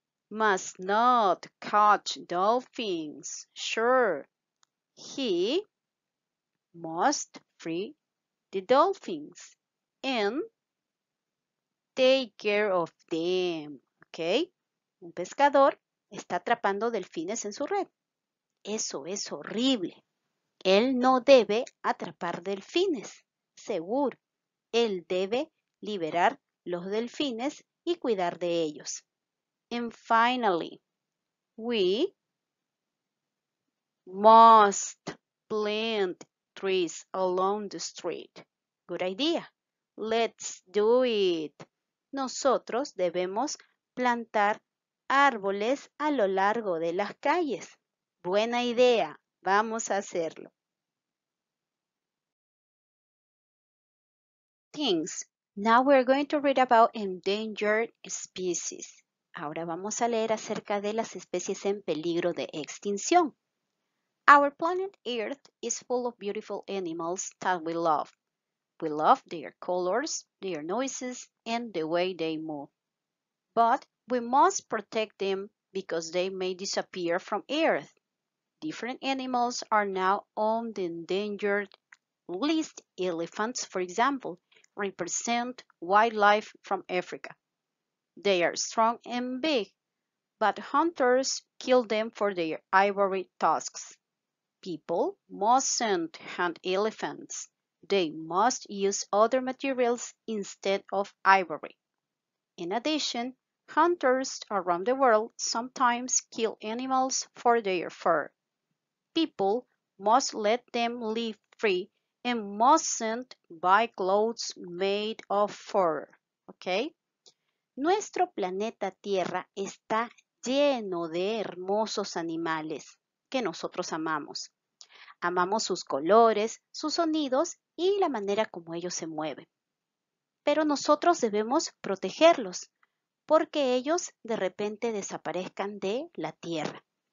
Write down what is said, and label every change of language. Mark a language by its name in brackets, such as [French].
[English] Must not catch dolphins. Sure. He must free the dolphins and take care of them. Okay. [Spanish] Un pescador está atrapando delfines en su red. Eso es horrible. Él no debe atrapar delfines. Seguro. Él debe liberar los delfines y cuidar de ellos. [English] And finally, we must plant trees along the street. Good idea. Let's do it. [Spanish] Nosotros debemos plantar árboles a lo largo de las calles. Buena idea. Vamos a hacerlo. [English] Things. Now we're going to read about endangered species. [Spanish] Ahora vamos a leer acerca de las especies en peligro de extinción. [English] Our planet Earth is full of beautiful animals that we love. We love their colors, their noises, and the way they move. But we must protect them because they may disappear from Earth. Different animals are now on the endangered list. Elephants, for example, represent wildlife from Africa. They are strong and big, but hunters kill them for their ivory tusks. People mustn't hunt elephants. They must use other materials instead of ivory. In addition, hunters around the world sometimes kill animals for their fur. People must let them live free and mustn't buy clothes made of fur. Okay? [Spanish] Nuestro planeta Tierra está lleno de hermosos animales que nosotros amamos. Amamos sus colores, sus sonidos y la manera como ellos se mueven. Pero nosotros debemos protegerlos porque ellos de repente desaparezcan de la Tierra.